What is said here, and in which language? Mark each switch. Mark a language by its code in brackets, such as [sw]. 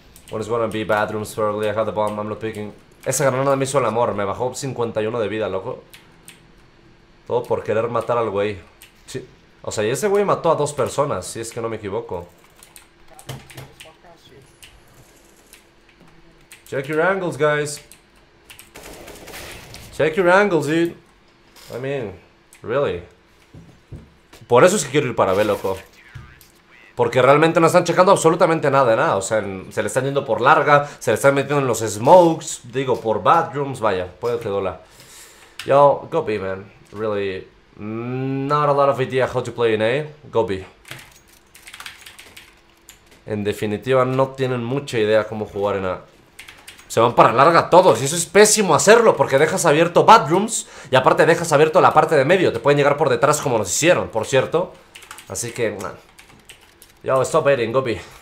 [en] One is one of B bathrooms, probably. I have the bomb, I'm not picking. [es] Esa granada me hizo el amor, me bajó 51 de vida, loco. Todo por querer matar al güey. Sí. O sea, y ese güey mató a dos personas, si es que no me equivoco. [en] Check your angles, guys. Check your angles, dude. I mean, really. [es] Por eso es que quiero ir para B, loco. Porque realmente no están checando absolutamente nada de nada. O sea, se le están yendo por larga, se le están metiendo en los smokes. Digo, por bathrooms. Vaya, puede que dola. Yo, [en] go B, man. Really, not a lot of idea how to play in A. Go B. [es] En definitiva, no tienen mucha idea cómo jugar en A. Se van para larga todos. Y eso es pésimo hacerlo, porque dejas abierto bathrooms. Y aparte dejas abierto la parte de medio. Te pueden llegar por detrás como nos hicieron, por cierto. Así que, man. Yo, [en] stop baiting, go B.